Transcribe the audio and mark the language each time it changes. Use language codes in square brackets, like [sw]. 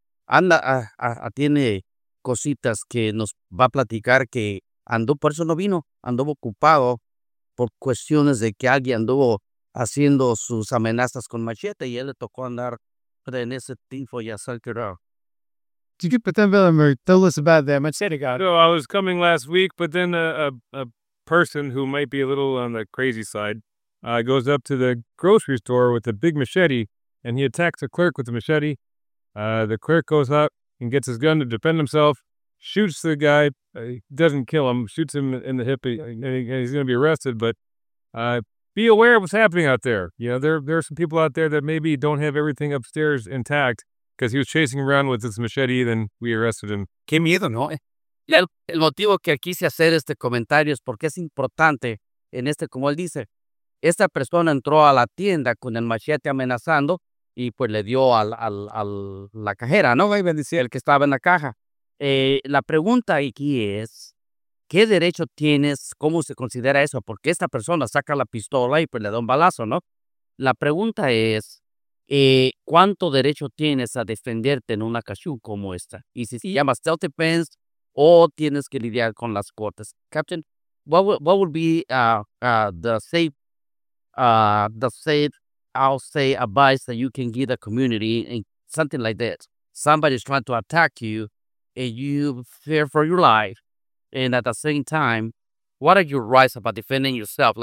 [es] Anda, tiene cositas que nos va a platicar que andó, por eso no vino, anduvo ocupado por cuestiones de que alguien anduvo haciendo sus amenazas con machete y él le tocó andar en ese tiempo ya salió. [en] Did you put them in there? Tell us about that machete guy. No, I was coming last week, but then a person who might be a little on the crazy side goes up to the grocery store with a big machete and he attacks a clerk with the machete. The clerk goes up and gets his gun to defend himself, shoots the guy, doesn't kill him, shoots him in the hip, and he's going to be arrested, but be aware of what's happening out there. You know, there are some people out there that maybe don't have everything upstairs intact because he was chasing around with his machete, then we arrested him. [es] Qué miedo, ¿no? El motivo que quise hacer este comentario es porque es importante en este, como él dice, esta persona entró a la tienda con el machete amenazando y pues le dio al la cajera, ¿no? El que estaba en la caja. La pregunta aquí es, ¿qué derecho tienes? ¿Cómo se considera eso? Porque esta persona saca la pistola y pues le da un balazo, ¿no? La pregunta es, ¿cuánto derecho tienes a defenderte en una cachú como esta? Y si se llama self-defense o tienes que lidiar con las cortes. [en] Captain, what would be the safe advice that you can give the community and something like that? Somebody's trying to attack you and you fear for your life. And at the same time, what are your rights about defending yourself?